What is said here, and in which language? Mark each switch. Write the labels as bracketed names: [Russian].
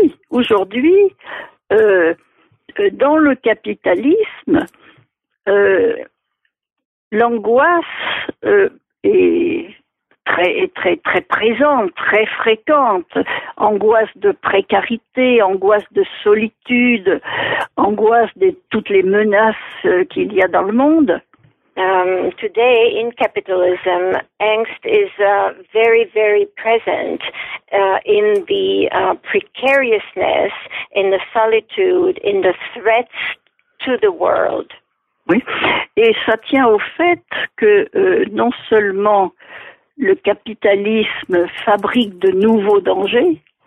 [French] aujourd'hui, dans le capitalisme, l'angoisse est très présente, très fréquente. Angoisse de précarité, angoisse de solitude, angoisse de toutes les menaces qu'il y a dans le monde. [English] Today, in capitalism, angst is very, very present in the precariousness, in the solitude, in the threats to the world. [French] Oui, et ça tient au fait que non seulement le capitalisme fabrique de nouveaux dangers.